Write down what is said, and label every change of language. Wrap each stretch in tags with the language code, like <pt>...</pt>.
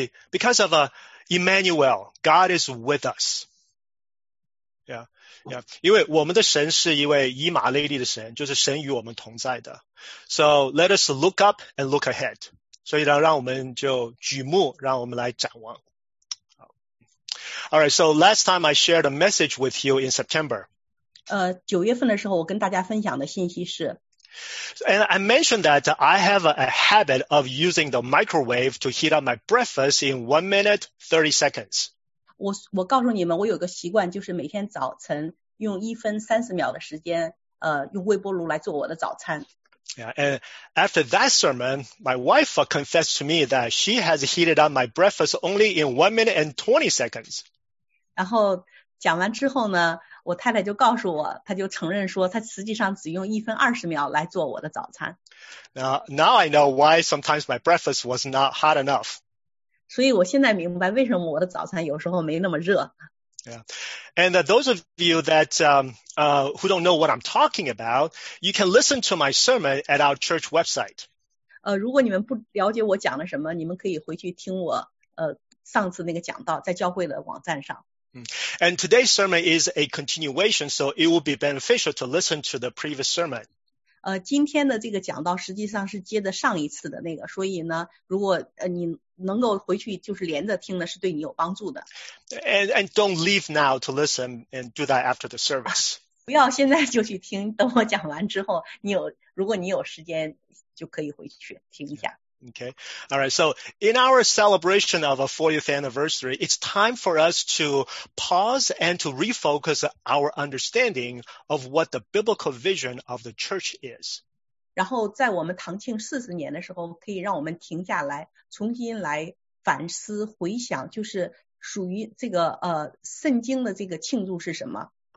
<en>Because of Emmanuel, God is with us. Yeah, yeah.</en> <zh>因为我们的神是一位以马内利的神，就是神与我们同在的。</zh> <en>So let us look up and look ahead.</en> <zh>所以让我们就举目，让我们来展望。</zh> <en>All right, so last time I shared a message with you in September.</en> <zh>九月份的时候我跟大家分享的信息是</zh> <en>And I mentioned that I have a habit of using the microwave to heat up my breakfast in 1 minute, 30 seconds.</en> <zh>我告诉你们，我有个习惯，就是每天早晨用1分30秒的时间，用微波炉来做我的早餐。</zh> <en>Yeah, and after that sermon, my wife confessed to me that she has heated up my breakfast only in 1 minute and 20 seconds.</en> <zh>然后讲完之后呢，我太太就告诉我，她就承认说，她实际上只用1分20秒来做我的早餐。</zh> <en>Now I know why sometimes my breakfast was not hot enough.</en> <zh>所以我现在明白为什么我的早餐有时候没那么热。</zh> <en>Yeah. And those of you that who don't know what I'm talking about, you can listen to my sermon at our church website.</en> <zh>如果你们不了解我讲了什么，你们可以回去听我上次那个讲道，在教会的网站上。</zh> <en>And today's sermon is a continuation, so it will be beneficial to listen to the previous sermon.</en> <zh>今天的这个讲道实际上是接着上一次的那个，所以呢，如果你能够回去就是连着听呢，是对你有帮助的。</zh> <en>And don't leave now to listen and do that after the service.</en> <zh>不要现在就去听，等我讲完之后，如果你有时间就可以回去听一下。</zh> <en>Okay, all right. So in our celebration of a 40th anniversary, it's time for us to pause and to refocus our understanding of what the biblical vision of the church is.</en> <zh>然后在我们堂庆40年的时候，可以让我们停下来，重新来反思回想，就是属于这个圣经的这个庆祝是什么？</zh>